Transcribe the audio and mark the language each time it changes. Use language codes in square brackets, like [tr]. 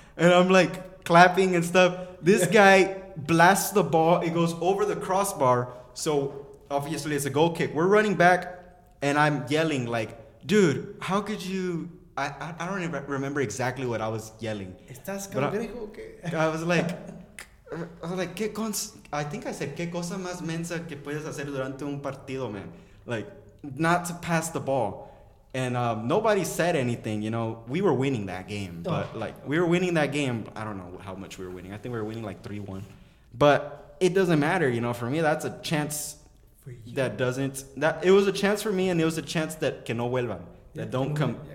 [en] And I'm like, clapping and stuff. This guy blasts the ball. It goes over the crossbar. So obviously it's a goal kick. We're running back, and I'm yelling like, dude, how could you? I don't even remember exactly what I was yelling. [es] ¿Estás cangrejo? [en] I was like, ¿qué I think I said, [es] ¿qué cosa más mensa que puedes hacer durante un partido, [en] man? Like, not to pass the ball. And nobody said anything, you know. We were winning that game. But, we were winning that game. I don't know how much we were winning. I think we were winning, like, 3-1. But it doesn't matter, you know. For me, that's a chance for you. It was a chance for me, and it was a chance that [es] que no vuelvan. [en] That don't come.